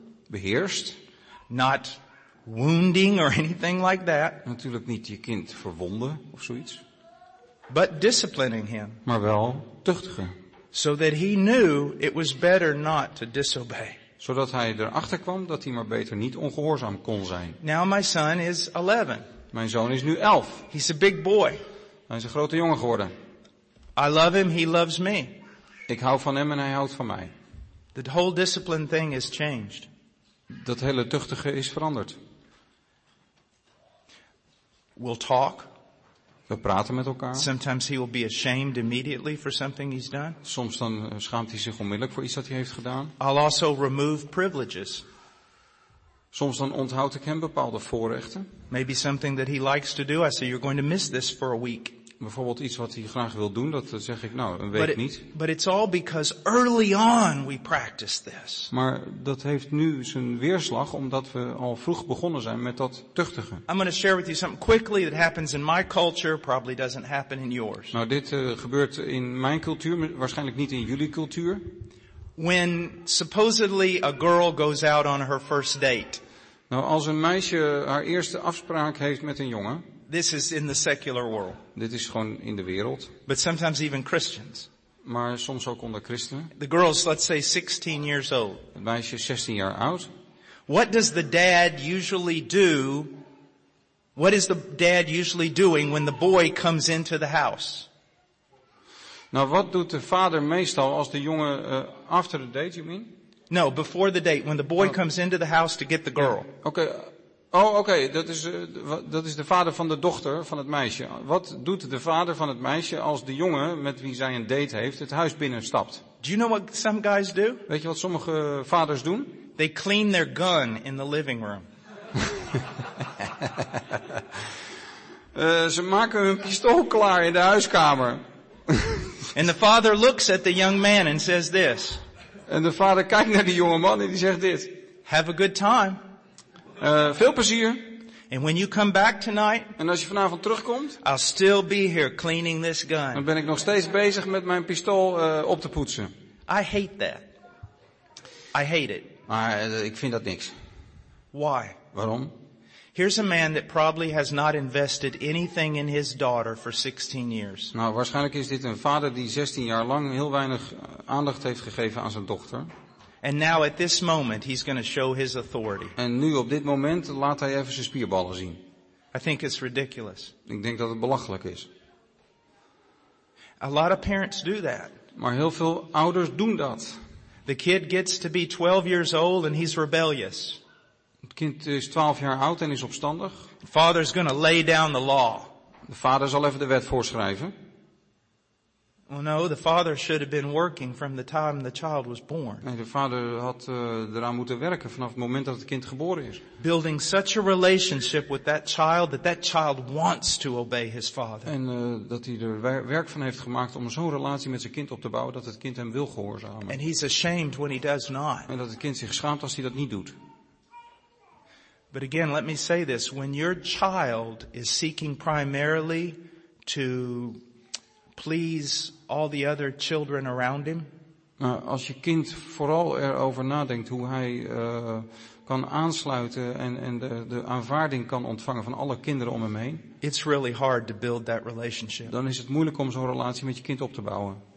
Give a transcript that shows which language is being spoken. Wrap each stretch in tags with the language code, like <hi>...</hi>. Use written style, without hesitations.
<nl>Beheerst.</nl> <en>Not wounding or anything like that.</en> <nl>Natuurlijk niet je kind verwonden of zoiets.</nl> <en>But disciplining him.</en> <nl>Maar wel tuchtigen.</nl> <en>So that he knew it was better not to disobey.</en> <nl>Zodat hij erachter kwam dat hij maar beter niet ongehoorzaam kon zijn.</nl> <en>Now my son is 11.</en> <nl>Mijn zoon is nu 11.</nl> <en>He's a big boy.</en> <nl>Hij is een grote jongen geworden.</nl> <en>I love him, he loves me.</en> <nl>Ik hou van hem en hij houdt van mij.</nl> <en>The whole discipline thing has changed.</en> <nl>Dat hele tuchtige is veranderd.</nl> <en>will talk.</en> <nl>We praten met elkaar.</nl> <en>Sometimes he will be ashamed immediately for something he's done.</en> <nl>Soms dan schaamt hij zich onmiddellijk voor iets dat hij heeft gedaan.</nl> <en>I'll also remove privileges.</en> <nl>Soms dan onthoud ik hem bepaalde voorrechten.</nl> <en>Maybe something that he likes to do. I say you're going to miss this for a week.</en> <nl>Bijvoorbeeld iets wat hij graag wil doen, dat zeg ik nou een week niet.</nl> <en>But it's all because early on we practiced this.</en> <nl>Maar dat heeft nu zijn weerslag omdat we al vroeg begonnen zijn met dat tuchtigen.</nl> <en>I'm going to share with you something quickly that happens in my culture, probably doesn't happen in yours.</en> <nl>Nou, dit gebeurt in mijn cultuur, waarschijnlijk niet in jullie cultuur.</nl> <en>When supposedly a girl goes out on her first date.</en> <nl>Nou, als een meisje haar eerste afspraak heeft met een jongen.</nl> <en>This is in the secular world.</en> <nl>Dit is gewoon in de wereld.</nl> <en>But sometimes even Christians.</en> <nl>Maar soms ook onder christenen.</nl> <en>The girl's, let's say, 16 years old.</en> <nl>Het meisje is 16 jaar oud.</nl> <en>What does the dad usually do? What is the dad usually doing when the boy comes into the house?</en> <nl>Nou, wat doet de vader meestal als de jongen</nl> <en>after the date, you mean? No, before the date, when the boy comes into the house to get the girl. Yeah. Okay.</en> <nl>Oh, oké, dat is de vader van de dochter van het meisje. Wat doet de vader van het meisje als de jongen met wie zij een date heeft het huis binnenstapt?</nl> <en>Do you know what some guys do?</en> <nl>Weet je wat sommige vaders doen?</nl> <en>They clean their gun in the living room.</en> <nl>ze maken hun pistool klaar in de huiskamer.</nl> <en>And the father looks at the young man and says this.</en> <nl>En de vader kijkt naar die jonge man en die zegt dit.</nl> <en>Have a good time.</en> <nl>Veel plezier.</nl> <en>And when you come back tonight,</en> <nl>en als je vanavond terugkomt,</nl> <en>I'll still be here cleaning this gun.</en> <nl>Dan ben ik nog steeds bezig met mijn pistool op te poetsen.</nl> <en>I hate that. I hate it.</en> <nl>Maar ik vind dat niks.</nl> <en>Why?</en> <nl>Waarom?</nl> <en>Here's a man that probably has not invested anything in his daughter for 16 years.</en> <nl>Nou, waarschijnlijk is dit een vader die 16 jaar lang heel weinig aandacht heeft gegeven aan zijn dochter.</nl> <en>And now at this moment he's going to show his authority.</en> <nl>En nu op dit moment laat hij even zijn spierballen zien.</nl> <en>I think it's ridiculous.</en> <nl>Ik denk dat het belachelijk is.</nl> <en>A lot of parents do that.</en> <nl>Maar heel veel ouders doen dat.</nl> <en>The kid gets to be 12 years old and he's rebellious.</en> <nl>Het kind is 12 jaar oud en is opstandig.</nl> <en>The father's going to lay down the law.</en> <nl>De vader zal even de wet voorschrijven.</nl> <en>Well, no, the father should have been working from the time the child was born.</en> <nl>Nee, de vader had eraan moeten werken vanaf het moment dat het kind geboren is.</nl> <en>Building such a relationship with that child that that child wants to obey his father.</en> <nl>En dat hij er werk van heeft gemaakt om zo'n relatie met zijn kind op te bouwen dat het kind hem wil gehoorzamen.</nl> <en>And he's ashamed when he does not.</en> <nl>En dat het kind zich schaamt als hij dat niet doet.</nl> <en>But again, let me say this: when your child is seeking primarily to please all the other children around him.</en> <nl>Als je kind vooral erover nadenkt hoe hij kan aansluiten en de aanvaarding kan ontvangen van alle kinderen om hem heen.</nl> <en>It's really hard to build that relationship.</en> <nl>Dan is het moeilijk om zo'n relatie met je kind op te bouwen.</nl>